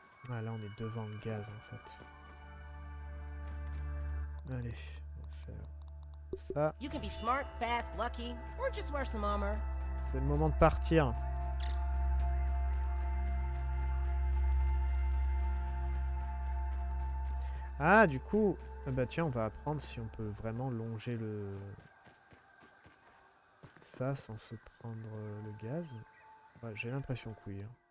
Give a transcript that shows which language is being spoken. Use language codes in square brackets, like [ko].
[fr] Ah là on est devant le gaz en fait. Allez, on va faire ça. [en] You can be smart, fast, lucky, or just wear some armor. [fr] C'est le moment de partir. Ah du coup, bah tiens, on va apprendre si on peut vraiment longer le ça sans se prendre le gaz. Ouais, j'ai l'impression que oui. Hein.